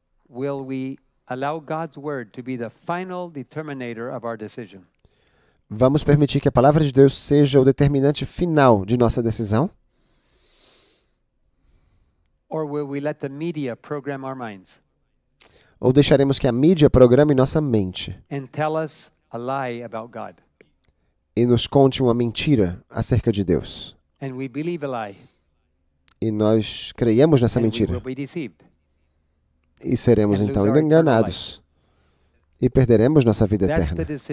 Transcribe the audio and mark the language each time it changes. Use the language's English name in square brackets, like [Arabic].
[English] Will we allow God's word to be the final determinator of our decision? [Portuguese] Vamos permitir que a palavra de Deus seja o determinante final de nossa decisão? [English] Or will we let the media program our minds? [Portuguese] Ou deixaremos que a mídia programe nossa mente? [English] And tell us a lie about God. [Portuguese] E nos conte uma mentira acerca de Deus. [English] And we believe a lie. [Portuguese] E nós creiamos nessa mentira. [English] And we will be deceived. [Portuguese] E seremos então enganados e perderemos nossa vida eterna.